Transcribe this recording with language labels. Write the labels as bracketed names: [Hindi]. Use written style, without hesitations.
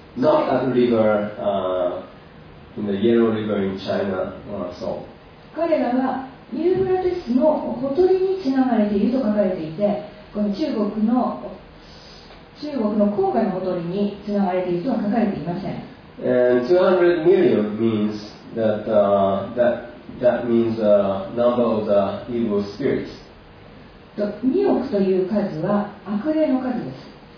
[English] Not at the river, in the Yellow River in China, or so. [Japanese] 彼らはユーフラテスのほとりにつながれていると書かれていて、この中国の郊外のほとりにつながれているとは書かれていません。 [English] 200 million means that, that means the number of the evil spirits. [Japanese] 2億という数は悪霊の数です。